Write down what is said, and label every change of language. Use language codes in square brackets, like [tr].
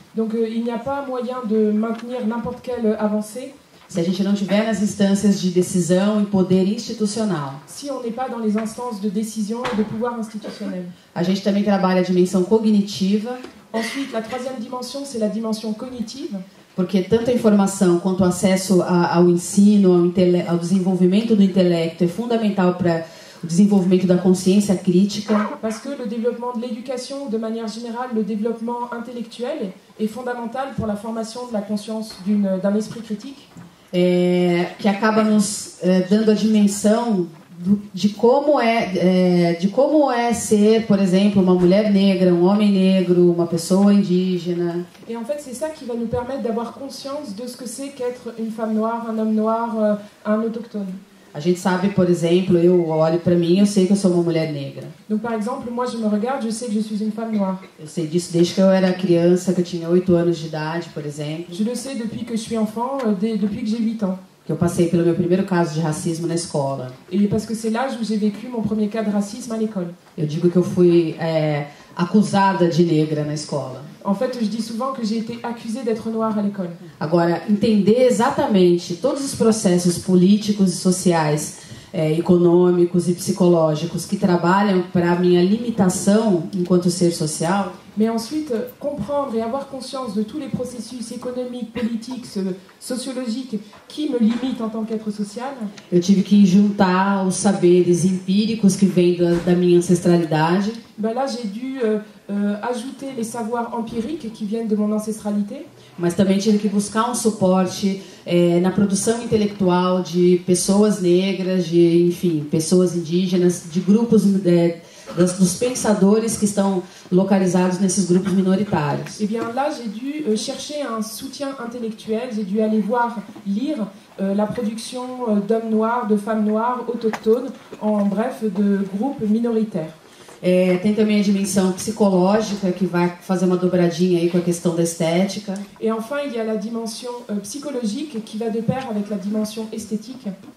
[fr] Donc il n'y a pas moyen de maintenir n'importe quelle avancée. [pt] Se a gente não tiver nas instâncias de decisão e poder institucional. [fr] Si on n'est pas dans les instances de décision et de pouvoir institutionnel. [pt] A gente também trabalha a dimensão cognitiva. [fr] Ensuite la troisième dimension c'est la dimension cognitive. [pt] Porque tanto a informação quanto o acesso ao ensino, ao desenvolvimento do intelecto é fundamental para o desenvolvimento da consciência crítica. Porque o desenvolvimento da educação, de maneira geral, o desenvolvimento intelectual é fundamental para a formação da consciência de um esprit crítico. Que acaba nos dando a dimensão de como é ser, por exemplo, uma mulher negra, um homem negro, uma pessoa indígena. [fr] E, en fait, c'est ça qui va nous permettre d'avoir conscience de ce que c'est qu'être une femme noire, un homme noir, un autochtone. [pt] A gente sabe, por exemplo, eu olho para mim, eu sei que eu sou uma mulher negra. [fr] Donc par exemple, moi je me regarde, je sais que je suis une femme noire. [pt] Eu sei disso desde que eu era criança, que eu tinha 8 anos de idade, por exemplo. [fr] Je le sais depuis que je suis enfant, depuis que j'ai 8 ans. [pt] Que eu passei pelo meu primeiro caso de racismo na escola. [fr] Et parce que c'est là que j'ai vécu mon premier cas de racisme à l'école. [pt] Eu digo que eu fui acusada de negra na escola. [fr] En fait, je dis souvent que j'ai été accusée d'être noire à l'école. [pt] Agora, entender exatamente todos os processos políticos e sociais, econômicos e psicológicos que trabalham para minha limitação enquanto ser social. [fr] Mais ensuite, comprendre et avoir conscience de tous les processus économiques, politiques, sociologiques qui me limitent en tant qu'être social. [pt] Eu tive que juntar os saberes empíricos que vêm da minha ancestralidade. [fr] Ben là, j'ai dû ajouter les savoirs empiriques qui viennent de mon ancestralité. [pt] Mas também tive que buscar suporte na produção intelectual de pessoas negras, de, enfim, pessoas indígenas, de grupos dos pensadores que estão localizados nesses grupos minoritários. [fr] Et bien là, j'ai dû chercher un soutien intellectuel, j'ai dû aller voir lire la production d'hommes noirs, de femmes noires autochtones, en bref, de groupes minoritaires. [pt] Tem também a dimensão psicológica que vai fazer uma dobradinha aí com a questão da estética. [fr] Et enfin, il y a la dimension psychologique qui va de pair avec la dimension esthétique.